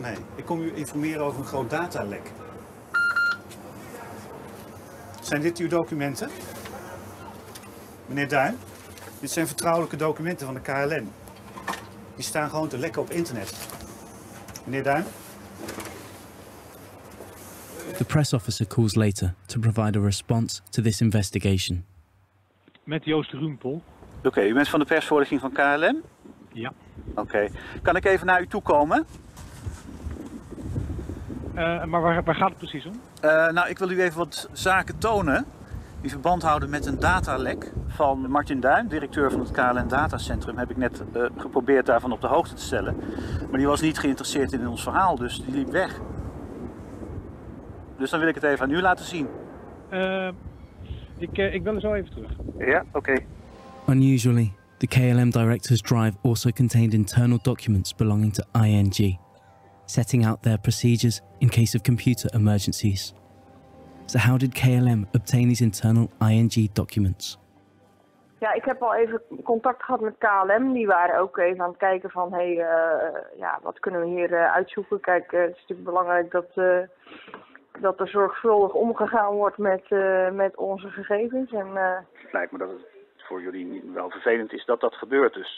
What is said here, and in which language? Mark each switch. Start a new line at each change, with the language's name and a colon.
Dutch: Nee, ik kom u informeren over een groot datalek. Zijn dit uw documenten? Meneer Duin, dit zijn vertrouwelijke documenten van de KLM. Die staan gewoon te lekken op internet. Meneer Duin?
English: The press officer calls later to provide a response to this investigation.
Dutch: Met Joost Rumpel. Oké, u bent van de persvoorlichting van KLM? Ja. Oké. Kan ik even naar u toe komen? Maar waar gaat het precies om? Ik wil u even wat zaken tonen die verband houden met een datalek van Martin Duin, directeur van het KLM datacentrum. Heb ik net geprobeerd daarvan op de hoogte te stellen. Maar die was niet geïnteresseerd in ons verhaal, dus die liep weg. Dus dan wil ik het even aan u laten zien. Ik ben er zo even terug. Ja, oké.
English: Unusually, the KLM director's drive also contained internal documents belonging to ING, setting out their procedures in case of computer emergencies. So how did KLM obtain these internal ING documents?
Dutch: Ja, ik heb al even contact gehad met KLM. Die waren ook even aan het kijken van, wat kunnen we hier uitzoeken? Kijk, het is natuurlijk belangrijk dat er zorgvuldig omgegaan wordt met onze gegevens. Het lijkt me dat het voor jullie wel vervelend is dat gebeurt dus.